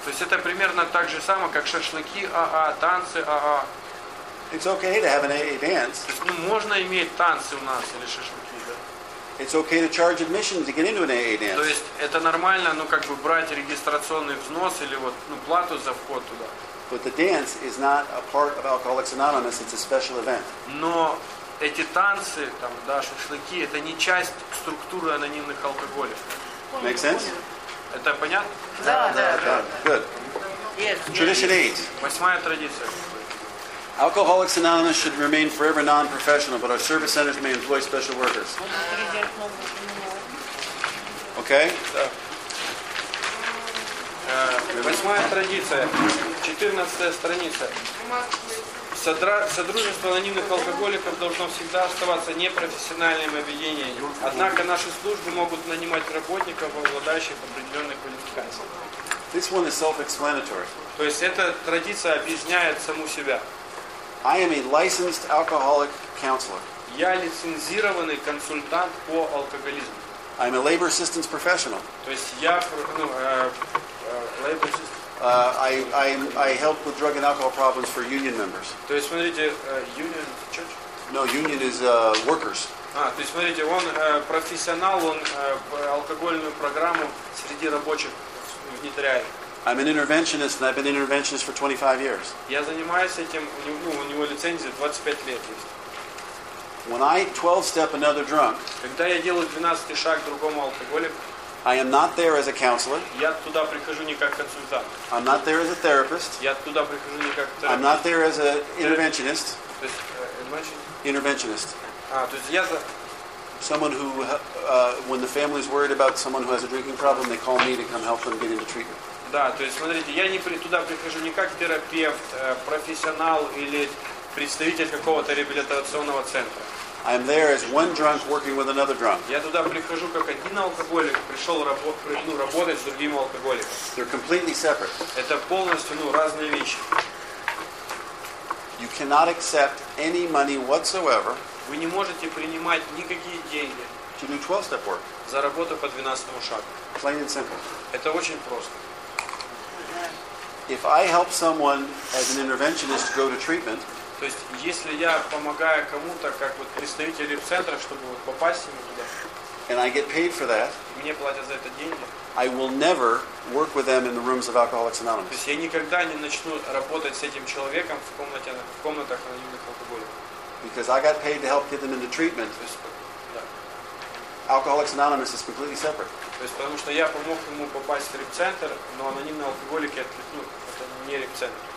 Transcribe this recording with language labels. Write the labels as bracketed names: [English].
[Russian] То есть это примерно так же самое, как шашлыки АА, танцы АА. [English] It's okay to have an AA dance. [Russian] То есть, ну, можно иметь танцы у нас или шашлыки, да. [English] It's okay to charge admission to get into an AA dance. [Russian] То есть это нормально, ну, как бы брать регистрационный взнос или вот, ну, плату за вход туда. [English] But the dance is not a part of Alcoholics Anonymous, it's a special event. [Russian] Но эти танцы, там, да, шашлыки, это не часть структуры анонимных алкоголиков. [English] Make sense? [Russian] Это понятно? Да. [English] Good. Yes. Tradition 8. [Russian] Восьмая традиция. [English] Alcoholics Anonymous should remain forever non-professional, but our service centers may employ special workers. Okay? [Russian] Восьмая традиция. 14-я страница. Содружество анонимных алкоголиков должно всегда оставаться непрофессиональным объединением. Однако наши службы могут нанимать работников, обладающих определенной квалификацией. [English] This one is self-explanatory. [Russian] То есть эта традиция объясняет саму себя. [English] I am a licensed alcoholic counselor. [Russian] Я лицензированный консультант по алкоголизму. [English] I am a labor assistance professional. [Russian] То есть я [English] labor assistant. I help with drug and alcohol problems for union members. [Russian] То есть смотрите, [English] union church? No, union is workers. [Russian] То есть смотрите, он профессионал, он алкогольную программу среди рабочих внедряет. [English] I'm an interventionist and I've been an interventionist for 25 years. [Russian] Я занимаюсь этим, у него лицензия 25 лет есть. [English] When I 12-step another drunk, [Russian] когда я делаю 12-й шаг другому алкоголику, [English] I am not there as a counselor. [Russian] Я туда прихожу не как консультант. [English] I'm not there as a therapist. [Russian] Я туда прихожу не как терапевт. [English] I'm not there as an interventionist. [Russian] То есть, [English] interventionist. [Russian] То есть я за... [English] Someone who, when the family is worried about someone who has a drinking problem, they call me to come help them get into treatment. [Russian] Да, то есть смотрите, я не туда прихожу не как терапевт, профессионал или представитель какого-то реабилитационного центра. [English] I'm there as one drunk working with another drunk. [Russian] Я туда прихожу как один алкоголик, пришел работать с другим алкоголиком. [English] They're completely separate. [Russian] Это полностью, ну, разные вещи. [English] You cannot accept any money whatsoever. [Russian] Вы не можете принимать никакие деньги. [English] To do 12-step work. [Russian] За работу по 12-му шагу. [English] Plain and simple. [Russian] Это очень просто. [English] If I help someone as an interventionist go to treatment. [Russian] То есть, если я помогаю кому-то, как вот представителю центра, чтобы вот попасть ему туда, [English] and I get paid for that, [Russian] мне платят за это деньги, [English] I will never work with them in the rooms of Alcoholics Anonymous. [Russian] То есть, я никогда не начну работать с этим человеком в комнатах анонимных алкоголиков. [English] Because I got paid to help get them into treatment. [Russian] То есть, да. [English] Alcoholics Anonymous is completely separate. [Russian] То есть, потому что я помог ему попасть в реп-центр, но анонимные алкоголики, это не реп-центр.